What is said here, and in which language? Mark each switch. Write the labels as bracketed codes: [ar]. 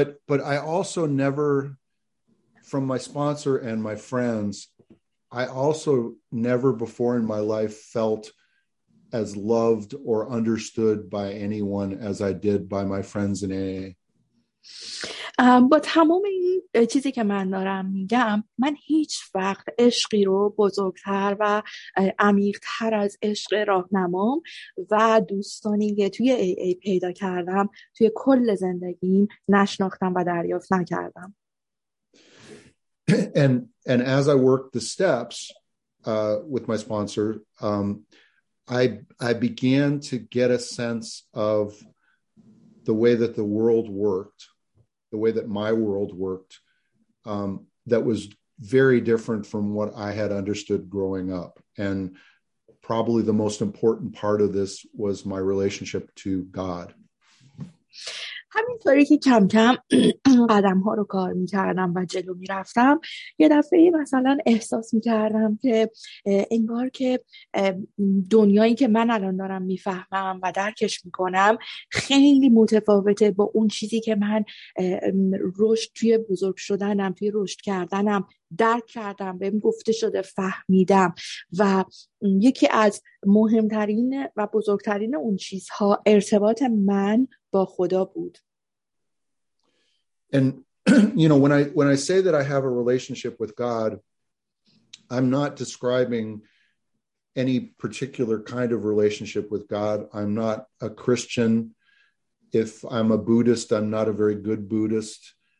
[en] But I also never, from my sponsor and my friends, I also never before in my life felt as loved or understood by anyone as I did by my friends in AA. [fa] با تمام این چیزی که من دارم میگم، من هیچ وقت عشقی رو بزرگتر و عمیق‌تر از عشق راهنمام و دوستانی که توی AA پیدا کردم توی کل زندگیم نشناختم و دریافت نکردم. [en] And as I worked the steps with my sponsor, I began to get a sense of the way that the world worked, the way that my world worked, that was very different from what I had understood growing up. And probably the most important part of this was my relationship to God. [fa] همینطوری که کم کم قدم ها رو کار می کردم و جلو می رفتم، یه دفعه مثلا احساس می کردم که انگار که دنیایی که من الان دارم می فهمم و درکش می کنم خیلی متفاوته با اون چیزی که من رشد توی بزرگ شدنم، توی رشد کردنم درک کردم، بهم گفته شده فهمیدم. و یکی از مهمترین و بزرگترین اون چیزها ارتباط من با خدا بود. [en] And you know, when I say that I have a relationship with God, I'm not describing any particular kind of relationship with God. I'm not a Christian. If I'm a Buddhist, I'm not a very good Buddhist.